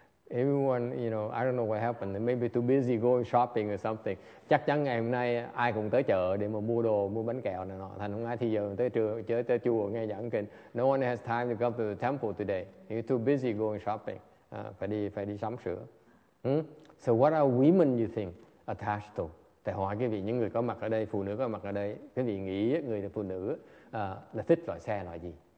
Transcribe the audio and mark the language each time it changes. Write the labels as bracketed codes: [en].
[en] Everyone, you know, I don't know what happened. Maybe too busy going shopping or something. [vi] Chắc chắn ngày hôm nay ai cũng tới chợ để mà mua đồ, mua bánh kẹo này nọ. Thành không ai thì giờ tới trường, tới chùa nghe giảng kinh. [en] No one has time to come to the temple today. You're too busy going shopping. [vi] Phải đi sắm sửa. [en] So what are women you think attached to? [vi] Thầy hỏi cái vị những người có mặt ở đây, phụ nữ có mặt ở đây, cái vị nghĩ người phụ nữ là thích loại xe loại gì?